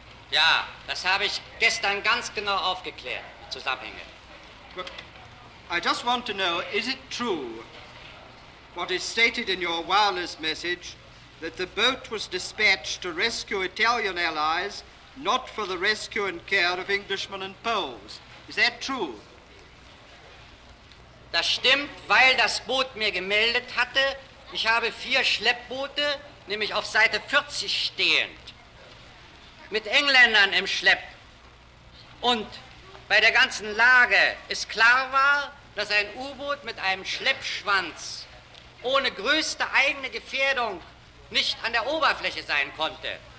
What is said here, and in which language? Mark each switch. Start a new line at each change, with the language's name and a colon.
German: Ja, das habe ich gestern ganz genau aufgeklärt, die Zusammenhänge.
English: I just want to know, is it true what is stated in your wireless message that the boat was dispatched to rescue Italian allies, not for the rescue and care of Englishmen and Poles? Is that true?
German: Das stimmt, weil das Boot mir gemeldet hatte, ich habe vier Schleppboote, nämlich auf Seite 40 stehend, mit Engländern im Schlepp. Und bei der ganzen Lage ist klar war, dass ein U-Boot mit einem Schleppschwanz ohne größte eigene Gefährdung nicht an der Oberfläche sein konnte.